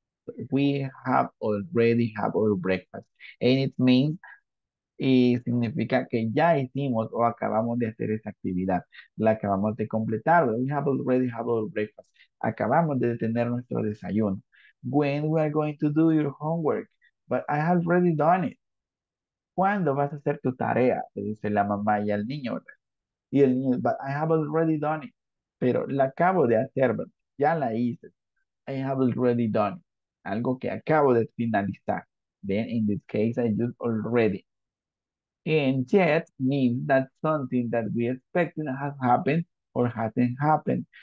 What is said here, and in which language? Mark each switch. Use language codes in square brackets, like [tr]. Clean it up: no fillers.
[en] So we have already have our breakfast. And it means, [es] y significa que ya hicimos o acabamos de hacer esa actividad. La acabamos de completar. [en] We have already had our breakfast. [es] Acabamos de tener nuestro desayuno. [en] When we are going to do your homework, but I have already done it. [es] ¿Cuándo vas a hacer tu tarea? Le dice la mamá y al niño, ¿verdad? Y el niño, [en] but I have already done it. [es] Pero la acabo de hacer, ¿verdad? Ya la hice. [en] I have already done it. [es] Algo que acabo de finalizar. [en] Then in this case, I use already. And yet means that something that we expected has happened or hasn't happened.